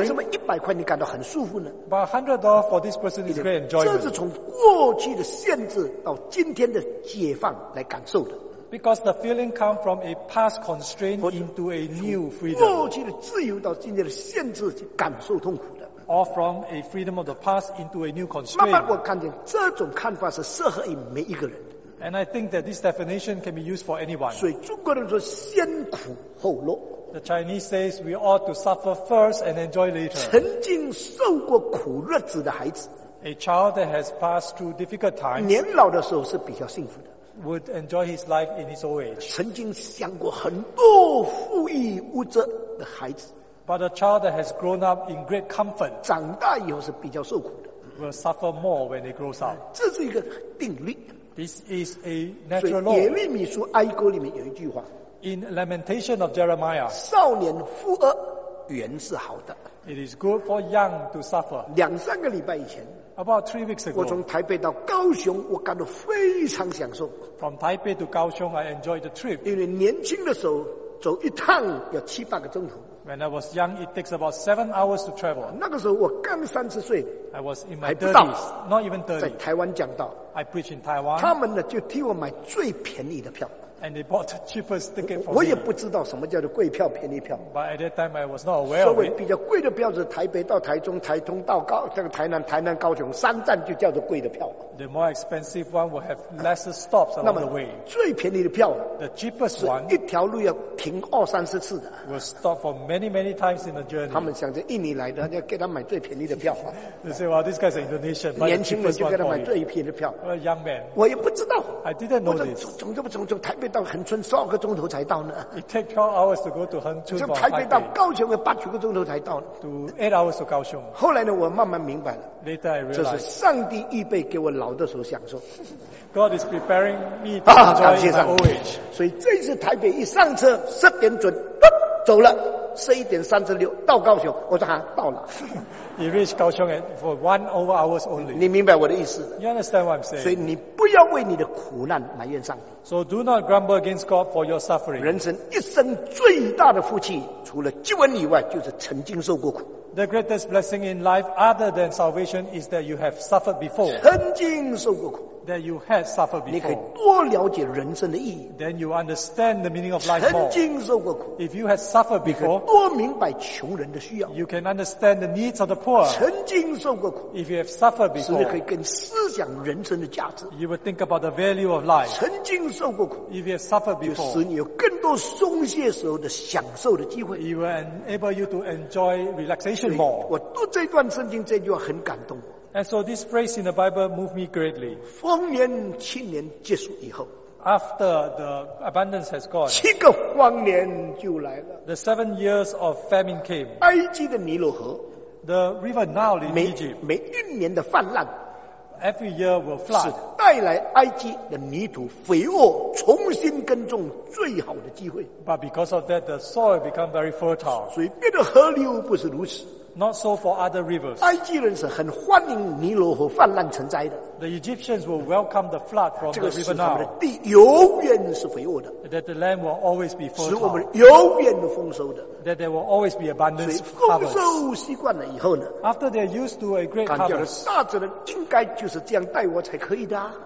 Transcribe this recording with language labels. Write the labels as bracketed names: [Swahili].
[Chinese] 为什么100块你感到很舒服呢？ [English] But $100 for this person is great enjoyment. [Chinese] 这是从过去的限制到今天的解放来感受的。 [English] Because the feeling comes from a past constraint into a new freedom. [Chinese] 过去的自由到今天的限制去感受痛苦的。 [English] Or from a freedom of the past into a new constraint. [Chinese] 慢慢我看见这种看法是适合于每一个人。 [English] And I think that this definition can be used for anyone. [Chinese] 所以中国人说先苦后乐。 [English] The Chinese says we ought to suffer first and enjoy later. [Chinese] 曾经受过苦日子的孩子， [English] A child that has passed through difficult times, [Chinese] 年老的时候是比较幸福的， [English] would enjoy his life in his old age. [Chinese] 曾经想过很多富裕物质的孩子， [English] But a child that has grown up in great comfort, [Chinese] 长大以后是比较受苦的， [English] will suffer more when he grows up. [Chinese] 这是一个定律， [English] This is a natural law. [Chinese] 耶利米书哀歌里面有一句话。 [English] In Lamentation of Jeremiah, [Chinese] 少年富恶原是好的。 [English] It is good for young to suffer. [Chinese] 两三个礼拜以前 [English] About 3 weeks ago, [Chinese] 我从台北到高雄，我感到非常享受。 [English] From Taipei to Kaohsiung, I enjoyed the trip. [Chinese] 因为年轻的时候走一趟要七八个钟头。 [English] When I was young, it takes about 7 hours to travel. [Chinese] 那个时候我刚30岁。 [English] I was in my 30s, not even 30. [Chinese] 在台湾讲道。 [English] I preach in Taiwan. [Chinese] 他们呢就替我买最便宜的票。 [English] And they bought the cheapest ticket for me. [Chinese] 我也不知道什么叫做贵票便宜票。 [English] But at that time I was not aware of it. [Chinese] 所谓比较贵的票是台北到台中，台中到高这个台南，台南高雄三站就叫做贵的票。 [English] The more expensive one will have lesser stops along the way. [Chinese] 那么最便宜的票 [English] ，the cheapest one， [Chinese] 一条路要停二三十次的。 [English] Will stop for many many times in the journey. [Chinese] 他们想着印尼来的，要给他买最便宜的票。 [English] They say, "Well, this guy's Indonesian." [Chinese] 年轻人就给他买最便宜的票。 [English] A young man. [Chinese] 我也不知道。 [English] I didn't know this. [Chinese] 从台北到恒春12个钟头才到呢。 [English] It takes 12 hours to go to 恒春。 [Chinese] 从台北到高雄要8-9个钟头才到呢。 [English] To 8 hours to 高雄。 [Chinese] 后来呢，我慢慢明白了。 [English] Later I realized. [Chinese] 这是上帝预备给我老的时候享受。 [English] God is preparing me to enjoy my old age. [Chinese] 所以这次台北一上车，10点准，走了。 11:36到高雄，我说哈，到了。 [English] He reached 高雄 for 1 hour only. [Chinese] 你明白我的意思 [English] ？You understand what I'm saying? [Chinese] 所以你不要为你的苦难埋怨上帝。 [English] So do not grumble against God for your suffering. [Chinese] 人生一生最大的福气，除了救恩以外，就是曾经受过苦。 [English] The greatest blessing in life, other than salvation, is that you have suffered before. [Chinese] 曾经受过苦。 [English] That you had suffered before. [Chinese] 你可以多了解人生的意义。 [English] Then you understand the meaning of life more. [Chinese] 曾经受过苦。 [English] If you had suffered before, [Chinese] 你可多明白穷人的需要。 [English] You can understand the needs of the poor. [Chinese] 曾经受过苦。 [English] If you have suffered before, [Chinese] 使你可以更思想人生的价值。 [English] You would think about the value of life. [Chinese] 曾经受过苦。 [English] If you have suffered before, [Chinese] 就使你有更多松懈时候的享受的机会。 [English] It will enable you to enjoy relaxation more. [Chinese] 我读这段圣经这句话很感动。 [English] And so this phrase in the Bible moved me greatly. [Chinese] 荒年七年结束以后 [English] After the abundance has gone, [Chinese] 七个荒年就来了 [English] The 7 years of famine came. [Chinese] 埃及的尼罗河 [English] The river Nile in Egypt. [Chinese] 每一年的泛滥 [English] Every year will flood. [Chinese] 是带来埃及的泥土肥沃重新耕种最好的机会 [English] But because of that, the soil become very fertile. [Chinese] 所以别的河流不是如此 [English] Not so for other rivers. [Chinese] 埃及人是很欢迎尼罗河泛滥成灾的。 [English] The Egyptians will welcome the flood from the river Nile. [Chinese] 这个使他们的地永远是肥沃的。 [English] That the land will always be fertile. [Chinese] 使我们永远丰收的。 [English] That there will always be abundance. [Chinese] 所以丰收习惯了以后呢 [English] ？After they're used to a great harvest. [Chinese] 感觉大自然应该就是这样待我才可以的、啊。